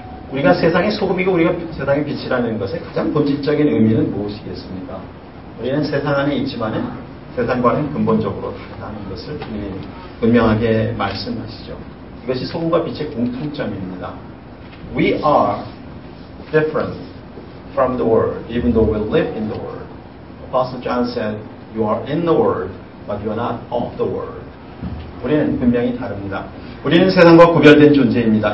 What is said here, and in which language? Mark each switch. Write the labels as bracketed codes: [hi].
[ko] 우리가 세상의 소금이고 우리가 세상의 빛이라는 것의 가장 본질적인 의미는 무엇이겠습니까? 우리는 세상 안에 있지만은 세상과는 근본적으로 다른 것을 분명하게 말씀하시죠. 이것이 소금과 빛의 공통점입니다. [en] We are different from the world, even though we live in the world. Apostle John said, "You are in the world, but you are not of the world." [ko] 우리는 분명히 다릅니다. 우리는 세상과 구별된 존재입니다.